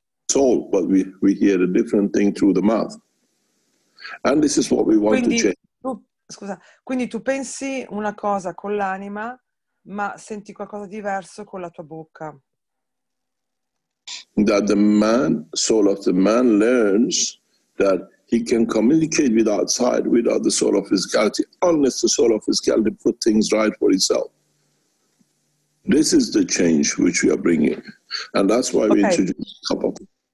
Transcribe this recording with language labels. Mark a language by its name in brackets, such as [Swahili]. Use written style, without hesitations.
[English] Soul, but we hear a different thing through the mouth. And this is what we want [Italian] quindi, [English] to change. [Italian] Quindi tu pensi una cosa con l'anima, ma senti qualcosa diverso con la tua bocca. [English] That the man, soul of the man, learns that he can communicate with outside without the soul of physicality, unless the soul of physicality put things right for itself. This is the change which we are bringing. And that's why we introduced a couple of things.